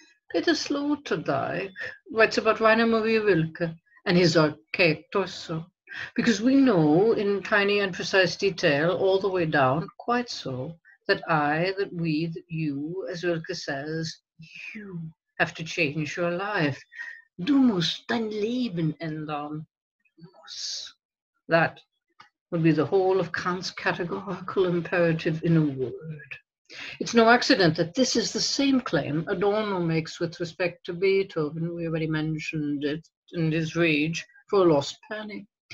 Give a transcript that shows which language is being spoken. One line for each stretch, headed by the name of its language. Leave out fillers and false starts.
English: Peter Sloterdijk writes about Rainer Maria Rilke and his archaic torso. Because we know in tiny and precise detail all the way down, quite so, that I, that we, that you, as Rilke says, you have to change your life.
German: Du musst dein Leben ändern.
English: That would be the whole of Kant's categorical imperative in a word. It's no accident that this is the same claim Adorno makes with respect to Beethoven, we already mentioned it, and his rage for a lost penny.